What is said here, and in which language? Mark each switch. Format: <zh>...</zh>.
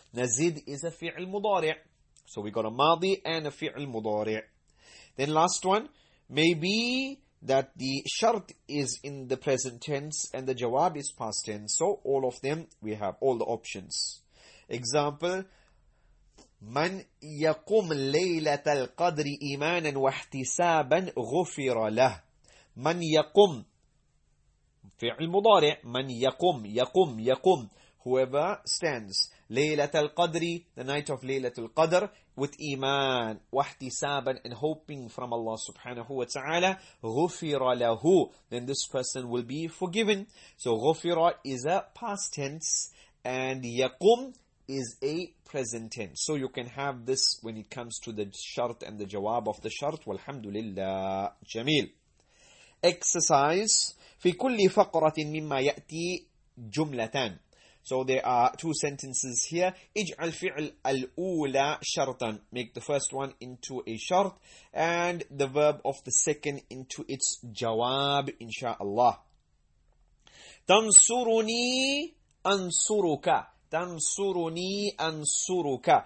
<ar>نزد</ar> <en>is a</en> <ar>فعل مضارع.</ar> <en>So we got a ماضي and a فعل مضارع. Then last one. Maybe that the shart is in the present tense and the jawab is past tense. So all of them, we have all the options. Example.</en> <ar>من يقوم ليلة القدر إيمانا واحتسابا غفر له. من يقوم فعل مضارع. من يقوم يقوم يقوم.</ar> <en>Whoever stands ليلة القدر, the night of ليلة القدر, with</en> <ar>إيمان واحتسابا</ar> <en>and hoping from Allah سبحانه وتعالى,</en> <ar>غفر له,</ar> <en>then this person will be forgiven. So غفر is a past tense and يقوم is a present tense. So you can have this when it comes to the shart and the jawab of the shart. Walhamdulillah. Jameel. Exercise.</en> <ar>في كل فقرة مما يأتي جملتان.</ar> <en>So there are two sentences here.</en> <ar>اجعل فعل الأولى شرطا.</ar> <en>Make the first one into a shart and the verb of the second into its jawab, inshallah.</en> <ar>تنصرني أنصرك. تنصرني أنصرك.</ar>